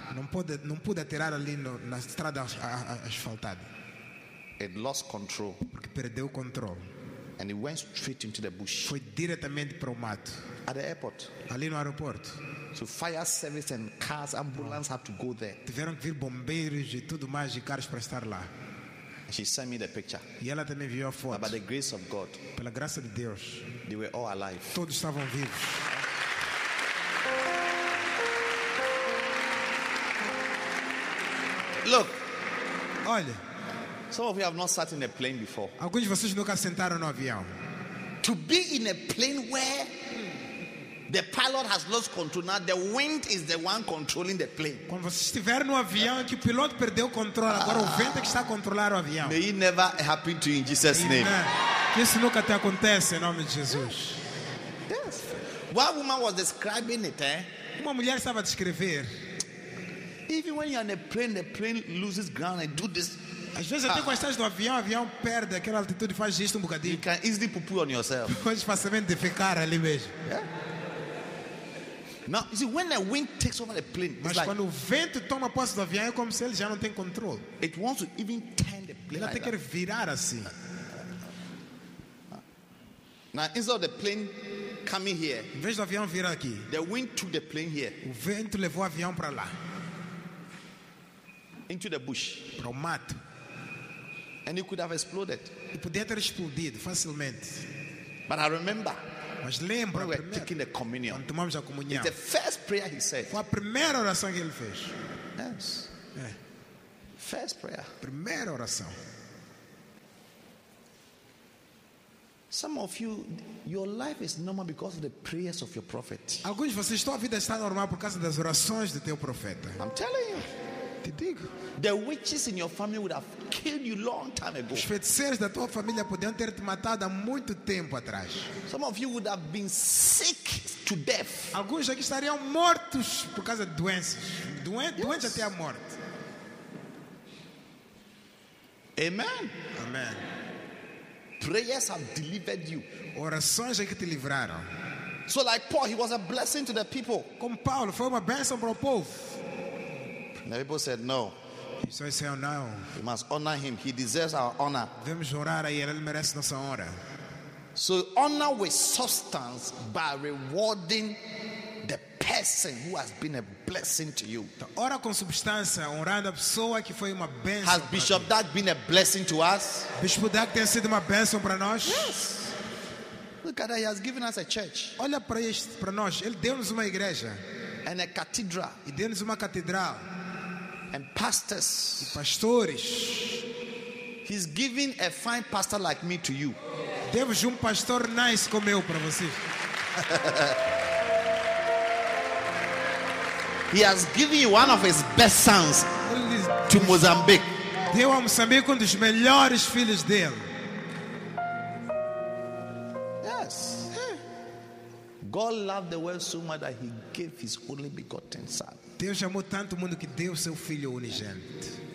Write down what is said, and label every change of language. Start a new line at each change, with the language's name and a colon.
Portuguese: Não pôde aterrar ali na estrada asfaltada.
English: It lost control.
Portuguese: Porque perdeu o controle.
English: And it went straight into the bush.
Portuguese: Foi diretamente para o mato.
English: At the airport.
Portuguese: Ali no aeroporto.
English: So fire service and cars, ambulance have to go there.
Portuguese: Tiveram que vir bombeiros e tudo mais e carros para estar lá.
English: She sent me the picture.
Portuguese: E ela também viu a foto.
English: By the grace of God.
Portuguese: Pela graça de Deus.
English: They were all alive.
Portuguese: Todos estavam vivos.
English: Look.
Portuguese: Olha.
English: Some of you have not sat in a plane before.
Portuguese: Alguns de vocês nunca sentaram no avião.
English: To be in a plane where the pilot has lost control, now the wind is the one controlling the plane.
Portuguese: Quando você estiver no avião que o piloto perdeu o controle, agora o vento é que está a controlar o avião.
English: May it never happen to you in Jesus' name.
Portuguese: Que isso nunca te aconteça em nome de Jesus.
English: Yes. One woman was describing it, eh?
Portuguese: Uma mulher estava a descrever.
English: Even when you're on a plane, the plane loses ground and do this.
Portuguese: Às vezes até quando estás no avião, o avião perde aquela altitude e faz isto um bocadinho.
English: You can easily poo-poo on yourself.
Portuguese: Pode facilmente defecar ali mesmo.
English: Now, you see, when the wind takes over the plane,
Portuguese: mas
English: it's
Portuguese: quando
English: like,
Portuguese: o vento toma posse do avião, é como se ele já não tem controle.
English: It wants to even turn the plane.
Portuguese: Ele até
English: like
Portuguese: quer
English: that.
Portuguese: Virar assim.
English: Now, instead of the plane coming here,
Portuguese: em vez do avião vir aqui,
English: the wind took the plane here.
Portuguese: O vento levou o avião para lá.
English: Into the bush.
Portuguese: Para o mato.
English: And it could have exploded.
Portuguese: E podia ter explodido facilmente.
English: But I remember.
Portuguese: Mas lembro,
English: we were taking the communion.
Portuguese: Quando tomamos a comunhão.
English: It's the first prayer he said.
Portuguese: Foi a primeira oração que ele fez.
English: Yes. First prayer.
Portuguese: Primeira oração.
English: Some of you, your life is normal because of the prayers of your prophet.
Portuguese: Alguns de vocês, tua vida está normal por causa das orações do teu profeta.
English: I'm telling you.
Portuguese: Te digo.
English: The witches in your family would have killed you long time ago.
Portuguese: Os feiticeiros da tua família podiam ter te matado há muito tempo atrás.
English: Some of you would have been sick to death.
Portuguese: Alguns aqui estariam mortos por causa de doenças. Doentes até a morte.
English: Amen. Amen. Prayers have delivered you.
Portuguese: Orações é que te livraram.
English: So like Paul, he was a blessing to the people.
Portuguese: Como Paulo, foi uma bênção para o povo.
English: The people said no. So he said, no. We must honor him. He deserves our honor.
Portuguese: Devemos orar a ele. Ele merece nossa honra.
English: So honor with substance by rewarding the person who has been a blessing to you.
Portuguese: Ora com substância, honrando a pessoa que foi uma bênção.
English: Has Bishop Doug been a blessing to us?
Portuguese: Bispo Doug tem sido uma bênção para nós?
English: Yes. Look at that. He has given us a church.
Portuguese: Olha para nós. Ele deu-nos uma igreja.
English: And a cathedral.
Portuguese: E deu-nos uma catedral.
English: And pastors,
Portuguese: e pastores,
English: he's giving a fine pastor like me to you.
Portuguese: Deus um pastor nice como eu para vocês.
English: He has given you one of his best sons to Mozambique.
Portuguese: Deu a Moçambique um dos melhores filhos dele.
English: Yes. God loved the world so much that he gave his only begotten son.
Portuguese: Deus amou tanto o mundo que deu seu filho unigênito.